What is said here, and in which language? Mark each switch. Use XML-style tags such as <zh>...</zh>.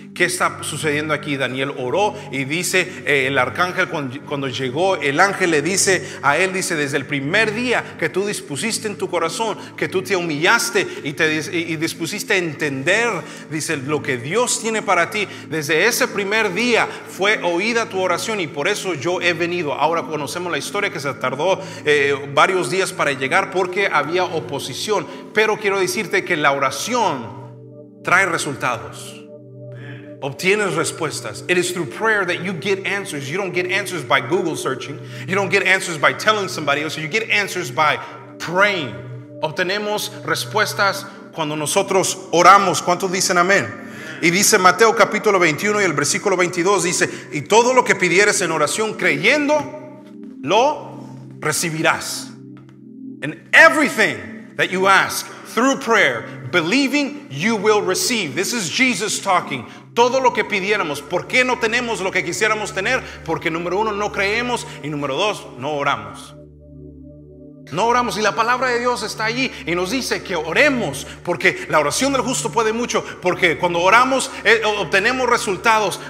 <es>¿qué está sucediendo aquí? Daniel oró y dice el arcángel, cuando llegó el ángel le dice a él, dice: desde el primer día que tú dispusiste en tu corazón, que tú te humillaste y dispusiste a entender, dice, lo que Dios tiene para ti, desde ese primer día fue oída tu oración y por eso yo he venido. Ahora conocemos la historia, que se tardó varios días para llegar porque había oposición, pero quiero decirte que la oración trae resultados. Obtienes respuestas.</es> <en>It is through prayer that you get answers. You don't get answers by Google searching. You don't get answers by telling somebody else. You get answers by praying.</en> <es>Obtenemos respuestas cuando nosotros oramos. ¿Cuántos dicen amén? Y dice Mateo capítulo 21 y el versículo 22, dice: y todo lo que pidieres en oración creyendo, lo recibirás.</es> <en>And everything that you ask through prayer, believing, you will receive. This is Jesus talking.</en> <es>Todo lo que pidiéramos. ¿Por qué no tenemos lo que quisiéramos tener? Porque número uno, no creemos, y número dos, no oramos. No oramos, y la palabra de Dios está allí y nos dice que oremos, porque la oración del justo puede mucho, porque cuando oramos obtenemos resultados.</es>